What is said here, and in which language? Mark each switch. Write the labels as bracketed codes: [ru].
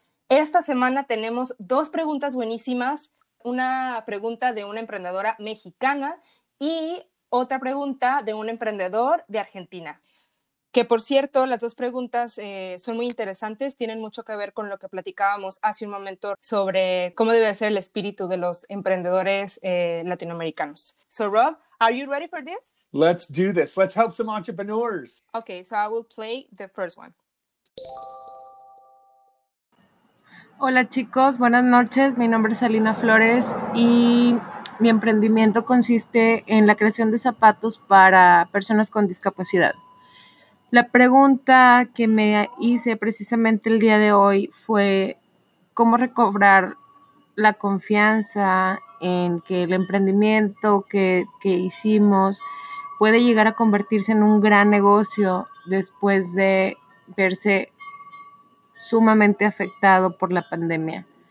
[es] Esta semana tenemos dos preguntas buenísimas. Una pregunta de una emprendedora mexicana y otra pregunta de un emprendedor de Argentina. Que, por cierto, las dos preguntas son muy interesantes. Tienen mucho que ver con lo que platicábamos hace un momento sobre cómo debe ser el espíritu de los emprendedores latinoamericanos. [en] So, Rob, are you ready for this? Let's do this. Let's help some entrepreneurs. Okay, so I will play the first one. [es] Hola chicos, buenas noches. Mi nombre es Alina Flores y mi emprendimiento consiste en la creación de zapatos para personas con discapacidad. La pregunta que me hice precisamente el día de hoy fue cómo recobrar la confianza en que el emprendimiento que hicimos puede llegar a convertirse en un gran negocio después de verse sumamente afectado por la pandemia.